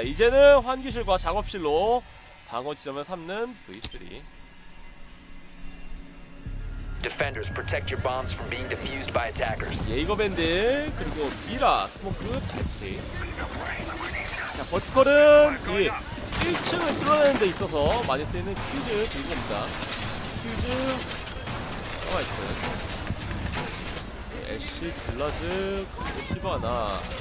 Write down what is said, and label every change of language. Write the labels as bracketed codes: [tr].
[ko] 이제는 환기실과 작업실로 방어 지점을 삼는 V3. [en] Defenders protect your bombs from being defused by attackers. [ko] 예이거 밴드 그리고 미라 스모크 패치. 자, 버티컬은 이 1층을 뚫어내는 데 있어서 많이 쓰이는 퓨즈 들고 옵니다. 퓨즈 나와 있어요. 애쉬 글라즈 그리고 시바나.